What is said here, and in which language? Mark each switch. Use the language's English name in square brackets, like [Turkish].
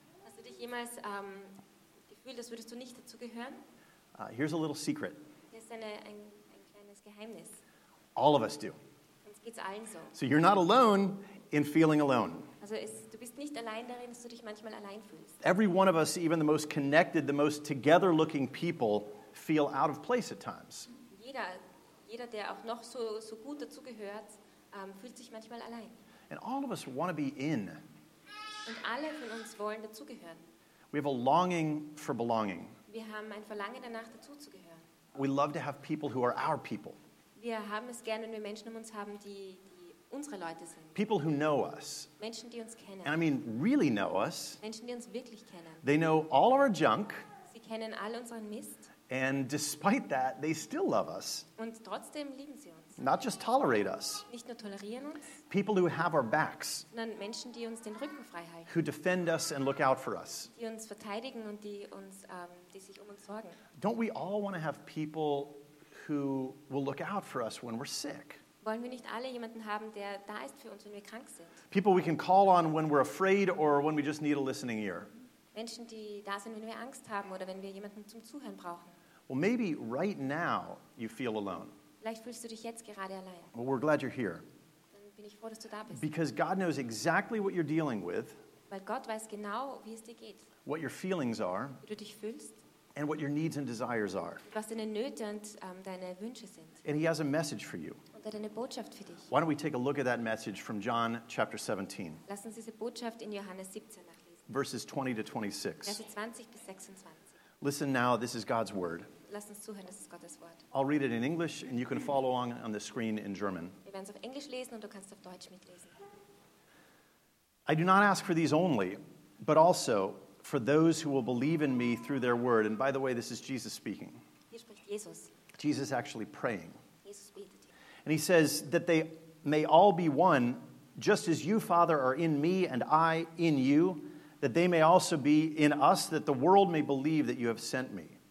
[German] Hast du dich jemals gefühlt, als würdest du nicht dazu gehören? [English] Here's a little secret. [German] Hier ist ein kleines Geheimnis. [English] All of us do. [German] Uns geht's allen so. [English] So you're not alone in feeling alone. [German] Also du bist nicht allein darin, dass du dich manchmal allein fühlst. [English] Every one of us, even the most connected, the most together-looking people, feel out of place at times. [German] Jeder, der auch noch so gut dazugehört, fühlt sich manchmal allein. [English] And all of us want to be in. [German] Und alle von uns wollen dazugehören. [English] We have a longing for belonging. [German] Wir haben ein Verlangen danach, dazuzugehören. [English] We love to have people who are our people. [German] Wir haben es gern, wenn wir Menschen um uns haben, die unsere Leute sind. [English] People who know us. [German] Menschen, die uns kennen. [English] And I mean really know us. [German] Menschen, die uns wirklich kennen. [English] They know all of our junk. [German] Sie kennen all unseren Mist. [English] And despite that, they still love us. [German] Und trotzdem lieben sie uns. [English] Not just tolerate us. [German] Nicht nur tolerieren uns. [English] People who have our backs. [German] Sondern Menschen, die uns den Rücken frei halten. [English] Who defend us and look out for us. [German] Die uns verteidigen und die uns, die sich uns sorgen. [English] Don't we all want to have people who will look out for us when we're sick? [German] Wollen wir nicht alle jemanden haben, der da ist für uns, wenn wir krank sind? [English] People we can call on when we're afraid or when we just need a listening ear. [German] Menschen, die da sind, wenn wir Angst haben oder wenn wir jemanden zum Zuhören brauchen. [English] Well, maybe right now you feel alone. [German] Vielleicht fühlst du dich jetzt gerade allein. [English] Well, we're glad you're here. [German] Dann bin ich froh, dass du da bist. [English] Because God knows exactly what you're dealing with. [German] Weil Gott weiß genau, wie es dir geht. [English] What your feelings are. [German] Wie du dich fühlst. [English] And what your needs and desires are. [German] Was deine Nöte und deine Wünsche sind. [English] And he has a message for you. [German] Und er hat eine Botschaft für dich. [English] Why don't we take a look at that message from John chapter 17. [German] Lass uns diese Botschaft in Johannes 17 nachlesen. [English] Verses 20 to 26. [German] Verse 20 bis 26. [English] Listen now, this is God's word. [German] Lass uns zuhören, das ist Gottes Wort. [English] I'll read it in English and you can follow along on the screen in German. [German] Wir werden es auf Englisch lesen und du kannst auf Deutsch mitlesen. [English] I do not ask for these only, but also for those who will believe in me through their word. And by the way, this is Jesus speaking. [German] Hier spricht Jesus. [English] Jesus actually praying. [German] Jesus betet. [English] And he says that they may all be one, just as you, Father, are in me and I in you, that they may also be in us, that the world may believe that you have sent me.